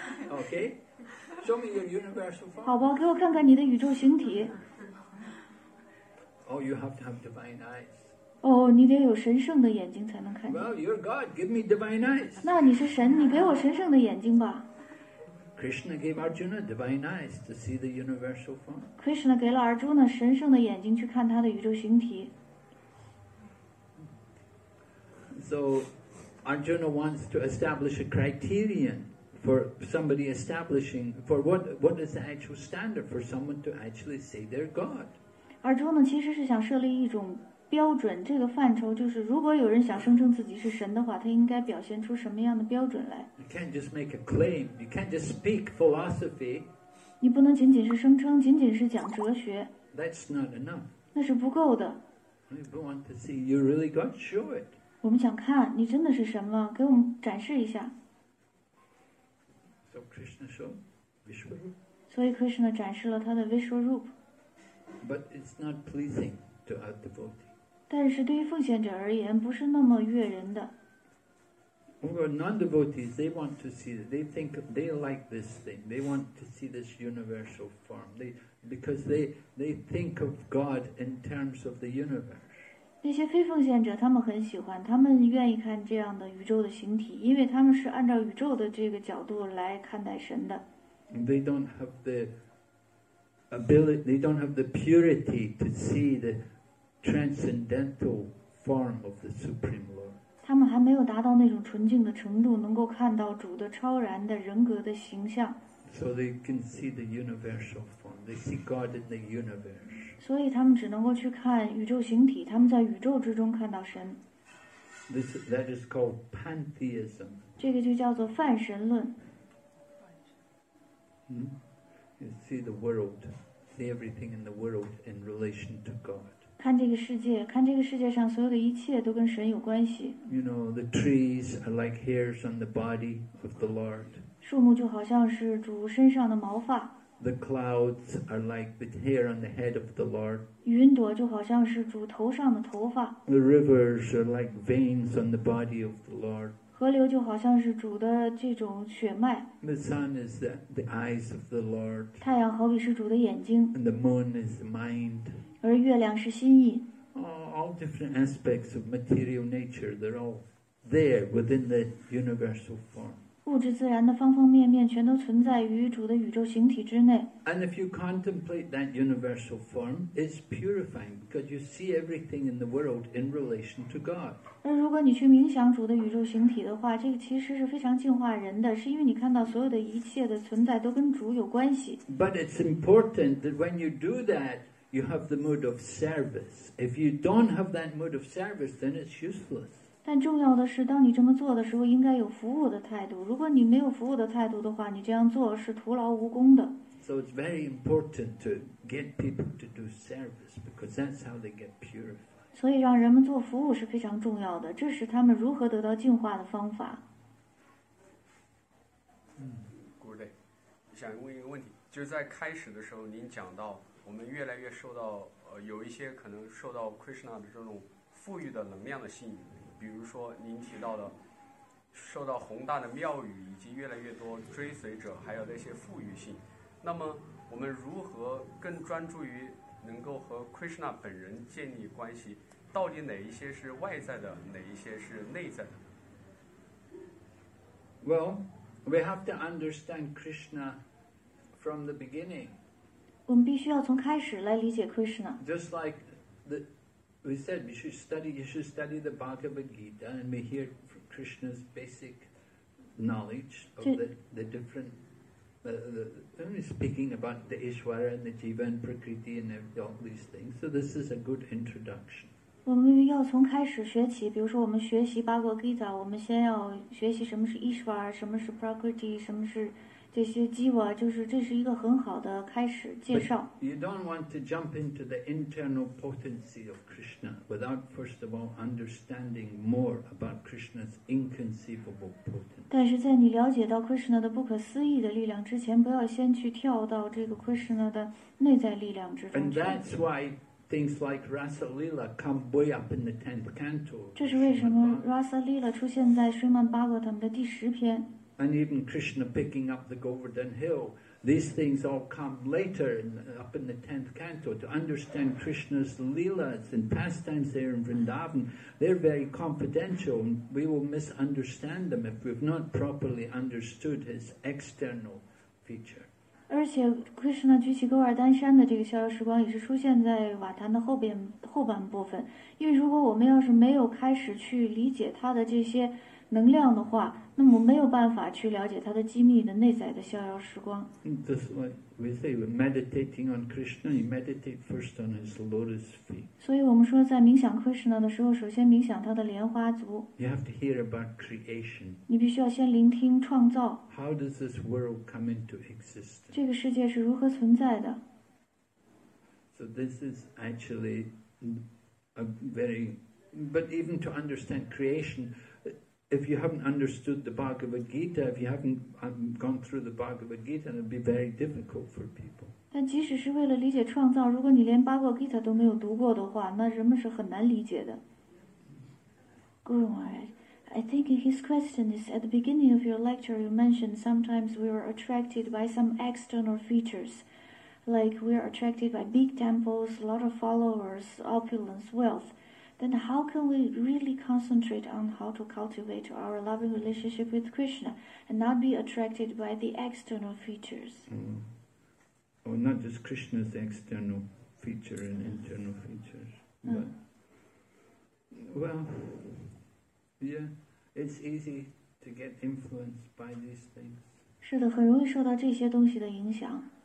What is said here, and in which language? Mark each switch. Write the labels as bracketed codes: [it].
[en] Okay. Show me your universal form. [zh] 好吧，给我看看你的宇宙形体。 [en] Oh, you have to have divine eyes. [zh] 哦，你得有神圣的眼睛才能看见。 [en] Well, you're God. Give me divine eyes. [zh] 那你是神，你给我神圣的眼睛吧。 [en] Krishna gave Arjuna divine eyes to see the universal form. [zh] Krishna 给了 Arjuna 神圣的眼睛去看他的宇宙形体。 [en] So Arjuna wants to establish a criterion for somebody establishing, for what is the actual standard for someone to actually say they're God. [zh] Arjuna 其实是想设立一种标准，这个范畴就是如果有人想声称自己是神的话，他应该表现出什么样的标准来。 [en] You can't just make a claim. You can't just speak philosophy. [zh] 你不能仅仅是声称，仅仅是讲哲学。 [en] That's not enough. [zh] 那是不够的。 [en] We want to see you really God, show it. [zh] 我们想看你真的是什么，给我们展示一下。 [en] So Krishna showed Vishwarupa. [zh] 所以 Krishna 展示了他的 Vishwarupa. [en] But it's not pleasing to a devotee. [zh] 但是对于奉献者而言，不是那么悦人的。 [en] For non-devotees, they want to see, they think they like this thing. They want to see this universal form. Because they think of God in terms of the universe. [zh] 那些非奉献者他们很喜欢，他们愿意看这样的宇宙的形体，因为他们是按照宇宙的这个角度来看待神的。 [en] They don't have the ability, they don't have the purity to see the transcendental form of the Supreme Lord. [zh] 他们还没有达到那种纯净的程度，能够看到主的超然的人格的形象。 [en] So they can see the universal form. They see God in the universe. [zh] 所以他们只能够去看宇宙形体，他们在宇宙之中看到神。 [en] That is called pantheism. [zh] 这个就叫做泛神论。 [en] You see the world, see everything in the world in relation to God. [zh] 看这个世界，看这个世界上所有的一切都跟神有关系。 [en] You know, the trees are like hairs on the body of the Lord. [zh] 树木就好像是主身上的毛发。 [en] The clouds are like the hair on the head of the Lord. [zh] 云朵就好像是主头上的头发。 [en] The rivers are like veins on the body of the Lord. [zh] 河流就好像是主的这种血脉。 [en] The sun is the eyes of the Lord. [zh] 太阳好比是主的眼睛。 [en] And the moon is the mind. [zh] 而月亮是心意。 [en] All different aspects of material nature, they're all there within the universal form. [zh] 物质自然的方方面面全都存在于主的宇宙形体之内。 [en] And if you contemplate that universal form, it's purifying because you see everything in the world in relation to God. [zh] 那如果你去冥想主的宇宙形体的话，这个其实是非常净化人的，是因为你看到所有的一切的存在都跟主有关系。 [en] But it's important that when you do that, you have the mood of service. If you don't have that mood of service, then it's useless. [zh] 但重要的是当你这么做的时候应该有服务的态度，如果你没有服务的态度的话，你这样做是徒劳无功的。 [en] So it's very important to get people to do service because that's how they get purified. [zh] 所以让人们做服务是非常重要的，这是他们如何得到净化的方法。 Gurudev, 想问一个问题，就是在开始的时候您讲到我们越来越受到有一些可能受到 Krishna 的这种富裕的能量的吸引，比如说您提到的受到宏大的庙宇以及越来越多追随者还有那些富裕性，那么我们如何更专注于能够和 Krishna 本人建立关系，到底哪一些是外在的，哪一些是内在的？ [en] Well, we have to understand Krishna from the beginning. [zh] 我们必须要从开始来理解 Krishna. [en] Just like theWe said you should study the Bhagavad Gita and we hear Krishna's basic knowledge of the different, only speaking about the Ishvara and the Jiva and Prakriti and all these things. So this is a good introduction. [zh] 我们要从开始学起，比如说我们学习巴格吉塔，我们先要学习什么是伊什瓦，什么是 Prakriti， 什么是这些基瓦，就是这是一个很好的开始介绍。 [en] But、you don't want to jump into the internal potency of Krishna without first of all understanding more about Krishna's inconceivable potency. [zh] 但是在你了解到 Krishna 的不可思议的力量之前，不要先去跳到这个 Krishna 的内在力量之中。 [en] And that's why. Things like Rasa Lila come way up in the 10th canto. [zh] 这是为什么 Rasa Lila 出现在 Srimad Bhagavatam 的第十篇。 [en] And even Krishna picking up the Govardhan Hill, these things all come later in, up in the 10th canto. To understand Krishna's Lilas and pastimes there in Vrindavan, they're very confidential. We will misunderstand them if we've not properly understood his external feature. [zh] 而且 Krishna 举起勾尔丹山的这个逍遥时光也是出现在瓦坛的后半部分，因为如果我们要是没有开始去理解他的这些能量的话，那么没有办法去了解他的机密的内在的逍遥时光。 [en] This way we say we're meditating on Krishna, you meditate first on his lotus feet. [zh] 所以我们说在冥想 Krishna 的时候，首先冥想他的莲花足。 [en] You have to hear about creation. [zh] 你必须要先聆听创造。 [en] How does this world come into existence? [zh] 这个世界是如何存在的。 [en] So this is actually a very, but even to understand creation,If you haven't understood the Bhagavad Gita, if you haven't gone through the Bhagavad Gita, it would be very difficult for people. [zh] 但即使是为了理解创造，如果你连巴格吉塔都没有读过的话，那人们是很难理解的。 [en] Guru Maharaj, I think his question is, at the beginning of your lecture, you mentioned sometimes we are attracted by some external features, like we are attracted by big temples, a lot of followers, opulence, wealth. Then how can we really concentrate on how to cultivate our loving relationship with Krishna and not be attracted by the external features? Mm. Well, not just Krishna's external feature and internal features. But, well, yeah, it's easy to get influenced by these things. [zh] 是的，很容易受到这些东西的影响。